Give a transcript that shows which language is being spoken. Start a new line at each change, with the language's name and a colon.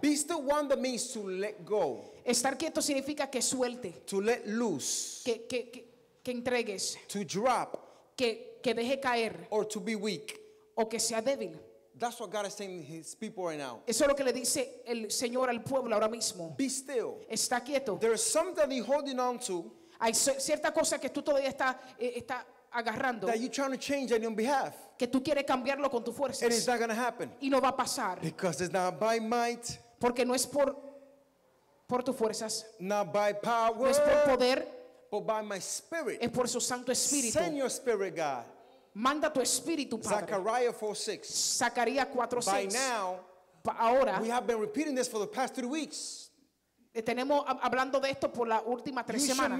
English: Be still one that means to let go.
Spanish: Estar quieto significa que suelte.
English: To let loose.
Spanish: Que entregues.
English: To drop.
Spanish: Que deje caer.
English: Or to be weak.
Spanish: O que sea débil.
English: That's what God is saying to His people right now.
Spanish: Eso es lo que le dice el Señor al pueblo ahora mismo.
English: Be still.
Spanish: Está quieto.
English: There is something He's holding on to.
Spanish: Hay cierta cosa que tú todavía está agarrando.
English: That you're trying to change on your behalf.
Spanish: Que tú quieres cambiarlo con tus fuerzas.
English: And it's not going to happen.
Spanish: Y no va a pasar.
English: Because it's not by might.
Spanish: Porque no es por tus fuerzas.
English: Not by power.
Spanish: No es por poder.
English: But by my spirit.
Spanish: Es por su Santo Espíritu.
English: Send your spirit, God.
Spanish: Manda tu espíritu, Padre. Zacarías 4:6.
English: By now,
Spanish: ahora,
English: we have been repeating this for the past 3 weeks.
Spanish: Tenemos hablando de esto por las últimas tres semanas.